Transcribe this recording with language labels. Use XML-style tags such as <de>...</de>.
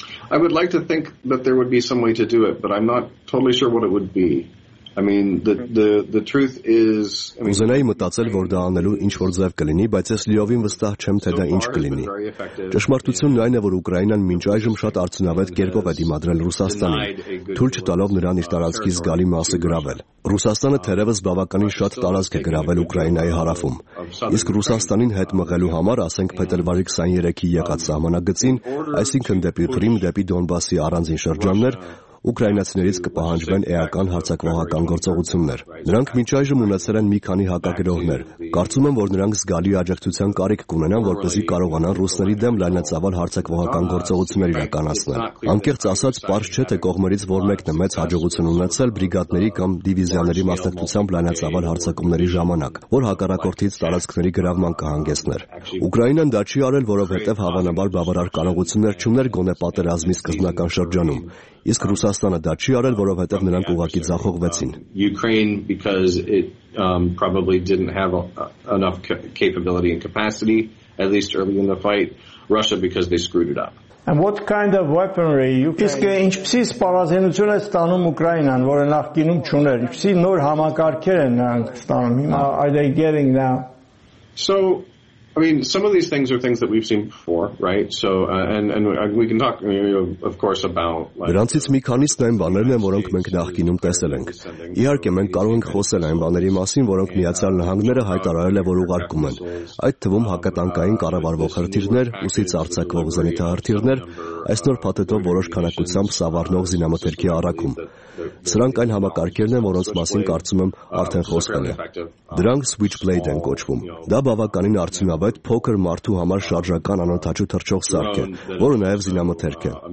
<en>I would like to think that there would be some way to do it, but I'm not totally sure what it would be. I mean, the truth is,</en> <hy>Ուզենայի մտածել, որ դա անելու ինչ որ ձև կլինի, բայց ես լիովին վստահ չեմ, թե դա ինչ կլինի։ Ճշմարտությունն այն է, որ Ուկրաինան մինչ այժմ շատ արդյունավետ կերպով է դիմադրել Ռուսաստանին, թույլ չտալով նրան իր տարածքի զգալի մասը գրավել։ Ռուսաստանը թերևս բավականին շատ տարածք է գրավել Ուկրաինայի հարավում։ Իսկ Ռուսաստանին հետ մղելու համար, ասենք փետրվարի 23-ի եկած ժամանակցին, այսինքն դեպի Ղրիմ, դեպի Դոնբասի առանձին շրջաններ, Ուկրաինացիներից կպահանջվեն էական հարձակվողական գործողություններ։ Նրանք մինչ այժմ ունեցել են մի քանի հակագրողներ։ Կարծում եմ, որ նրանք զգալի աջակցության կարիք կունենան, որպեսզի կարողանան ռուսների դեմ լայնածավալ հարձակվողական գործողություններ իրականացնել։ Անկեղծ ասած, պարզ չէ, թե կողմերից որ մեկն է մեծ հաջողություն ունեցել բրիգադների կամ դիվիզիաների մասնակցությամբ լայնածավալ հարձակումների ժամանակ, որ հակառակորդից տարածքների գրավման կհանգեցներ։ Ուկրաինան դա չի արել, որովհետև հավանաբար բավարար կարողություններ չուներ գոնե պատերազմի սկզբնական շրջանում։ Իսկ Ռուսաստանը դա չի արել, որովհետև նրանք ուղղակի զախողվեցին։</hy> <en>Ukraine because it probably didn't have enough capability and capacity at least early in the fight. Russia because they screwed it up. And what kind of weaponry you think</en> <hy>ինչպեսի սպառազինություն է ստանում Ուկրաինան, որը նախկինում չուներ, ինչպեսի նոր համակարգեր են նրանք ստանում հիմա,</hy> <en>are they getting now? So I mean, some of these things are things that we've seen before, right? So, and we can talk, you know, of course, about.</en> <hy>Դրանցից մի քանիս նաև բաներն են, որոնք մենք նախկինում տեսել ենք։ Իհարկե, մենք կարող ենք խոսել այն բաների մասին, որոնք Միացյալ Նահանգները հայտարարել է, որ ուղարկում են։ Այդ թվում հակատանկային կառավարվող հրթիռներ, ուսից արձակվող զենիթահրթիռներ, այս նոր փաթեթով որոշ քանակությամբ սավառնող զինամթերքի առաքում։ Սրանք այն համակարգերն են, որոնց մասին կարծում եմ արդեն խոսել եմ։ Դրանք Switchblade են կոչվում։ Դա բավականին արդյունավետ փոքր մարդու համար շարժական անոթաչու թռչող սարք է, որը նաև զինամթերք է։</hy>